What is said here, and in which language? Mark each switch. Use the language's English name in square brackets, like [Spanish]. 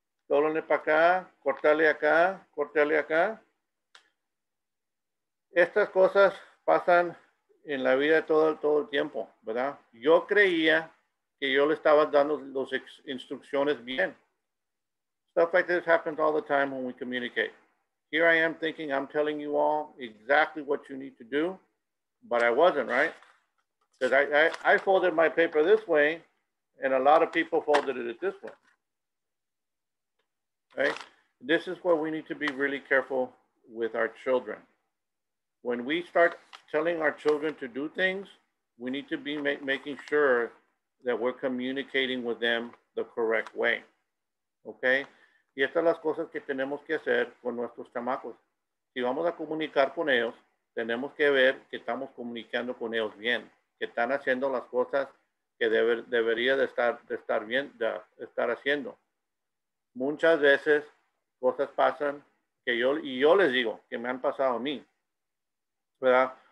[Spanish] Dóblale para acá, cortale acá, cortale acá. Estas cosas pasan en la vida todo el tiempo, ¿verdad? Yo creía que yo le estaba dando las instrucciones bien. [English] Stuff like this happens all the time when we communicate. Here I am thinking I'm telling you all exactly what you need to do, but I wasn't, right? Because I folded my paper this way, and a lot of people folded it this way. Right? This is where we need to be really careful with our children. When we start telling our children to do things, we need to be making sure that we're communicating with them the correct way. Okay? [Spanish] Y estas son las cosas que tenemos que hacer con nuestros chamacos. Si vamos a comunicar con ellos, tenemos que ver que estamos comunicando con ellos bien, que están haciendo las cosas que debería de estar haciendo. Muchas veces cosas pasan que yo les digo que me han pasado a mí, ¿verdad?